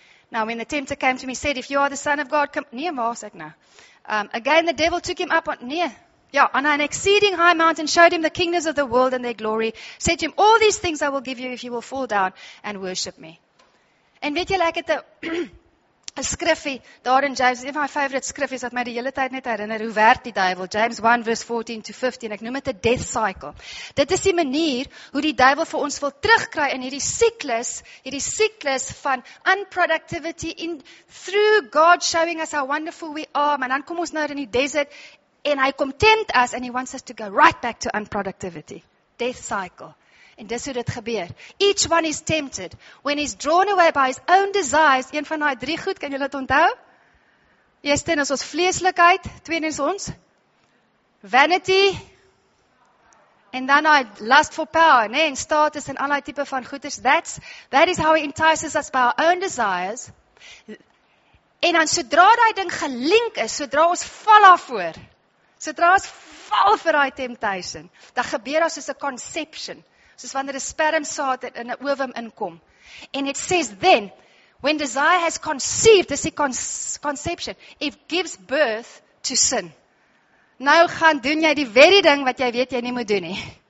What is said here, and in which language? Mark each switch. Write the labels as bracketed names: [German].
[English] Now when the tempter came to me said if you are the son of God come near me, [Afrikaans] sê ek nou. [English] Again the devil took him up on near. Ja, on an exceeding high mountain showed him the kingdoms of the world and their glory. Said to him all these things I will give you if you will fall down and worship me. [Afrikaans] En weet julle ek het 'n 'n skriffie, daar in James, een van my favorite skriffies, wat my die hele tyd net herinner, hoe werk die duivel, James 1 verse 14 to 15, ek noem het 'n death cycle. Dit is die manier, hoe die duivel vir ons wil terugkry in hierdie cyclus van unproductivity, [English] in through God showing us how wonderful we are, [Afrikaans] maar dan kom ons nou in die desert, en hy kom tempt us, [English] and he wants us to go right back to unproductivity. [Afrikaans] Death cycle. En dis hoe dit gebeur. [English] Each one is tempted when he's drawn away by his own desires. [Afrikaans] Een van daai 3 goed, kan julle dit onthou? Eerste is ons vleeslikheid, tweede is ons vanity. [English] And then I lust for power, [Afrikaans] nee, en status en allerlei tipe van goeders. [English] That is how he entices us by our own desires. [Afrikaans] En dan sodra daai ding gelink is, sodra ons val daarvoor, sodra ons val vir daai temptation, dan gebeur daar soos 'n conception. Soos wanneer 'n spermsaad in 'n ovum inkom. [English] And it says then, when desire has conceived, this is conception, it gives birth to sin. [Afrikaans] Nou gaan doen jy die very ding wat jy weet jy nie moet doen nie.